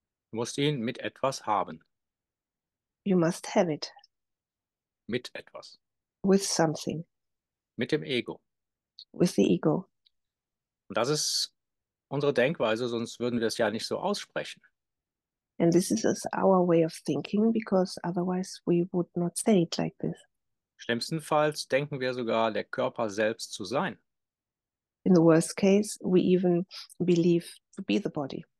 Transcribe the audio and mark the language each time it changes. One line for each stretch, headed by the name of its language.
German: Du musst ihn mit etwas haben.
English: You must have it.
German: Mit etwas.
English: With something.
German: Mit dem Ego.
English: With the ego.
German: Und das ist unsere Denkweise, sonst würden wir es ja nicht so aussprechen.
English: And this is our way of thinking, because otherwise we would not say it like this.
German: Schlimmstenfalls denken wir sogar, der Körper selbst zu sein.
English: In the worst case, we even believe to be the body.